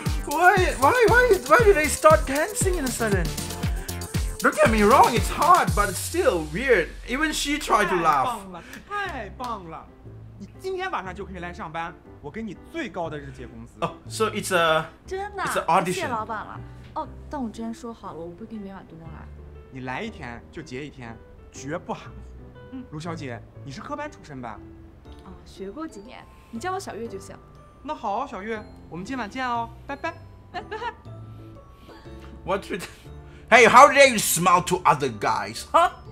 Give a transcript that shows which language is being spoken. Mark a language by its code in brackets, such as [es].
[en] Why do they start dancing in a sudden? Don't get me wrong, it's hard, but it's still weird. Even she tried to laugh. [zh] 太棒了，太棒了！你今天晚上就可以来上班，我给你最高的日结工资。 [en] So it's a [zh] 真的 [en] it's an audition. [zh] 谢老板了。但我之前说好了，我不跟你每晚都能来。你来一天就结一天，绝不含糊。卢小姐，你是科班出身吧？学过几年，你叫我小月就行。那好，小月，我们今晚见哦，拜拜。 [en] What's with Hey, how dare you smile to other guys, huh?